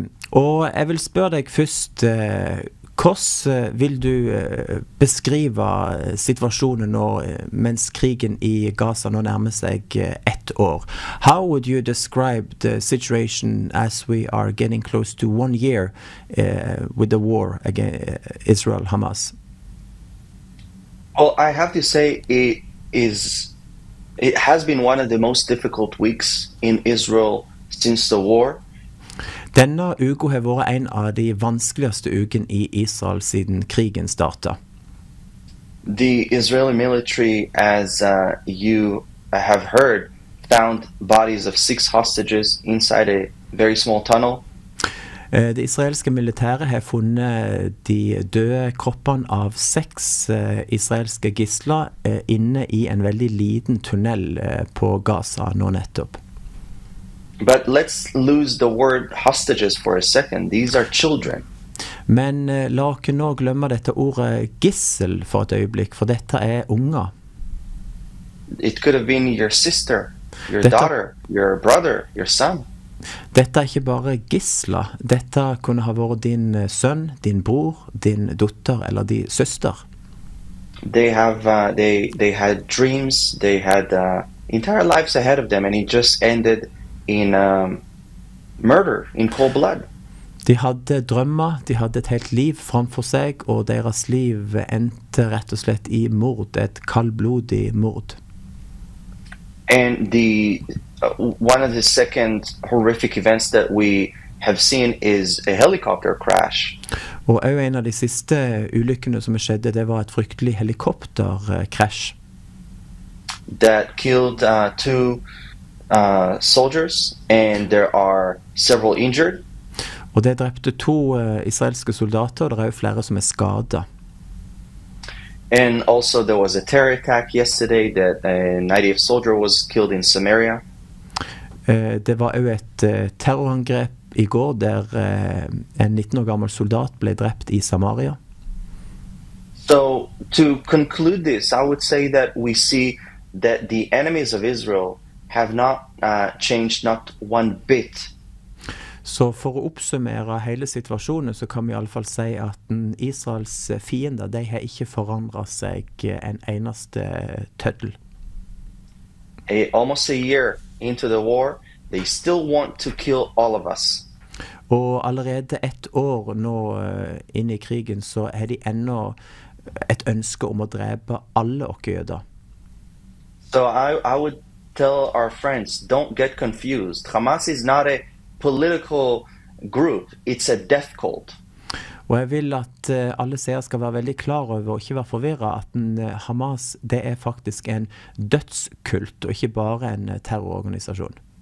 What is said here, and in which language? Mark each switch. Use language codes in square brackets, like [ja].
[no] Og jeg vil spørre deg først, hvordan vil du beskrive situasjonen nå mens krigen i Gaza nå nærmer seg ett år? [en] How would you describe the situation as we are getting close to one year with the war against Israel-Hamas? Well, I have to say it has been one of the most difficult weeks in Israel since the war. [no] Denne uka har vært en av de vanskeligste ukene i Israel siden krigen startet. [en] The Israeli military, as you have heard, found bodies of 6 hostages inside a very small tunnel. [no] Det israelske militæret har funnet de døde kroppene av 6 israelske gisler inne i en veldig liten tunnel på Gaza nå nettopp. [en] But let's lose the word hostages for a second. These are children. [no] Men la ikke nå glemme dette ordet gissel for et øyeblikk, for dette er unger. [en] It could have been your sister, your daughter, your brother, your son. [no] Dette er ikke bare gisla. Dette kunne ha vært din sønn, din bror, din datter eller din søster. [en] They had dreams, they had entire lives ahead of them, and it just ended in murder, in cold blood. [no] De hadde drømmer, de hadde et helt liv framfor seg, og deres liv endte rett og slett i mord, et kaldblodig mord. [en] And one of the second horrific events that we have seen is a helicopter crash. [no] Og en av de siste ulykkene som skjedde, det var et fryktelig helikopterkrasj. [en] That killed two soldiers, and there are several injured. [no] Og det drepte to israelske soldater, og det er jo flere som er skadet. [en] And also there was a terror attack yesterday that an IDF soldier was killed in Samaria. [no] Det var jo et terrorangrep i går der en 19 år gammel soldat ble drept i Samaria. [en] So to conclude this, I would say that we see that the enemies of Israel have not changed not one bit. [no] Så for å oppsummere hele situasjonen, så kan vi i alle fall si at Israels fiender, de har ikke forandret seg en eneste tøddel. [en] Almost a year into the war, they still want to kill all of us. [no] Og allerede ett år nå inn i krigen, så har de enda et ønske om å drepe alle oss jøder. [en] So I would tell our friends, don't get confused. Hamas is not a political group. It's a death cult. [no] Og jeg vil at alle seere skal være veldig klare over og ikke være forvirret at Hamas, det er faktisk en dødskult og ikke bare en terrororganisasjon.